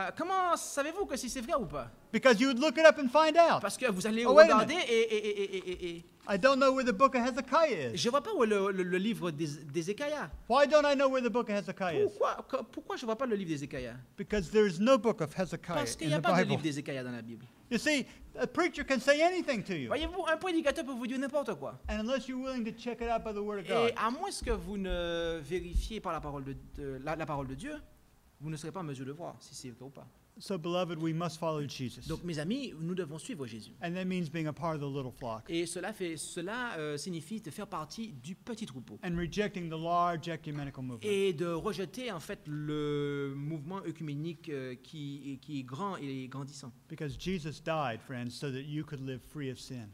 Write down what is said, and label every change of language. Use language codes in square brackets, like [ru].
[fr] Comment savez-vous que si c'est vrai ou pas? [en] Because you would look it up and find out. [fr] Parce que vous allez regarder et [en] I don't know where the book of Hezekiah is. [fr] Je vois pas où le livre d'Ézéchiel. [en] Why don't I know where the book of Hezekiah is? [fr] Pourquoi je vois pas le livre d'Ézéchiel? [en] Because there is no book of Hezekiah in the Bible. [fr] Parce qu'il y a pas de livre d'Ézéchiel dans la Bible. [en] You see, a preacher can say anything to you. [fr] Voyez-vous, un prédicateur peut vous dire n'importe quoi. [en] And unless you're willing to check it out by the Word of God. [fr] Et à moins que vous ne vérifiez par la parole de Dieu, vous ne serez pas en mesure de voir si c'est vrai ou pas. [en] So beloved, we must follow Jesus. [fr] Donc mes amis, nous devons suivre Jésus. [en] And that means being a part of the little flock. [fr] Et cela signifie de faire partie du petit troupeau. [en] And rejecting the large ecumenical movement. [fr] Et de rejeter en fait le mouvement œcuménique qui est grand et grandissant. [en] Because Jesus died, friends, so that you could live free of sin.